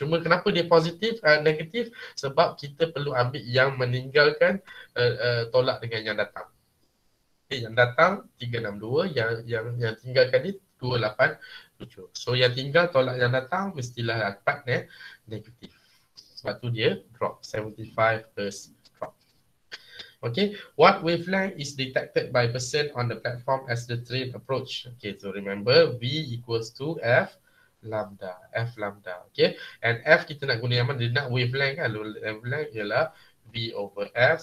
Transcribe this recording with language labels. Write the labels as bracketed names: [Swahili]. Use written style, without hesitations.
[Malay] Cuma kenapa dia positif, negatif? Sebab kita perlu ambil yang meninggalkan tolak dengan yang datang. Okay, yang datang 362, yang tinggalkan dia 287. So yang tinggal tolak yang datang mestilah dapat negatif. Sebab tu dia drop 75 Hz. [English] Okay, what wavelength is detected by person on the platform as the train approach? Okay, so remember V equals to F lambda. F lambda, okay. And [Malay] F kita nak guna yang mana? Dia nak wavelength kan? Wavelength ialah V over F.